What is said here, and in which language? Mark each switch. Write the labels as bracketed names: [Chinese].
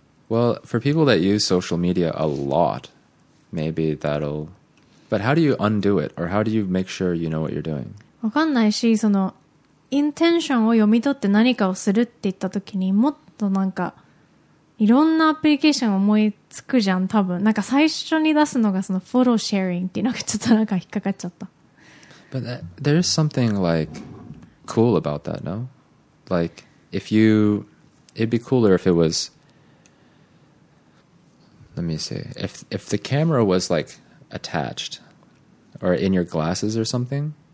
[English] Well for people that use social media a lot maybe that'll But how do you undo it or how do you make sure you know what you're doing? [Japanese] わかんないし、その、インテンションを読み取って何かをするって言った時に、もっとなんか、いろんなアプリケーションを思いつくじゃん、多分。なんか最初に出すのがその、フォローシェアリングっていうのがちょっとなんか引っかかっちゃった。 [English] But there's something like, cool about that, no? Like, if you, it'd be cooler if it was, let me see, if the camera was like, attached, or in your glasses or something,